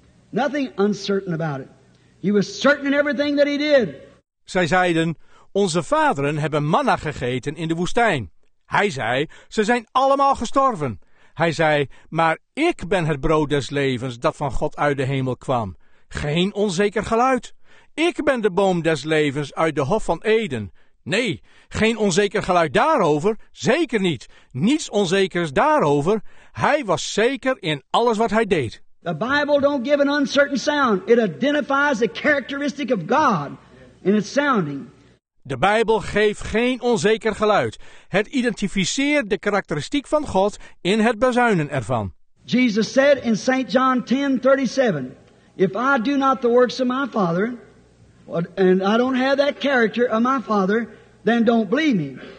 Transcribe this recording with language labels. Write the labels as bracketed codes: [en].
[en] Nothing uncertain about it. He was certain in everything that he did. [nl] Zij zeiden, onze vaderen hebben manna gegeten in de woestijn. Hij zei, ze zijn allemaal gestorven. Hij zei, maar ik ben het brood des levens dat van God uit de hemel kwam. Geen onzeker geluid. Ik ben de boom des levens uit de hof van Eden. Nee, geen onzeker geluid daarover, zeker niet. Niets onzekers daarover. Hij was zeker in alles wat hij deed. [en] The Bible don't give an uncertain sound. It identifies the characteristic of God in its sounding. [nl] De Bijbel geeft geen onzeker geluid. Het identificeert de karakteristiek van God in het bazuinen ervan. [en] Jesus said in St. John 10:37, if I do not the works of my Father, and I don't have that character of my Father, then don't believe me.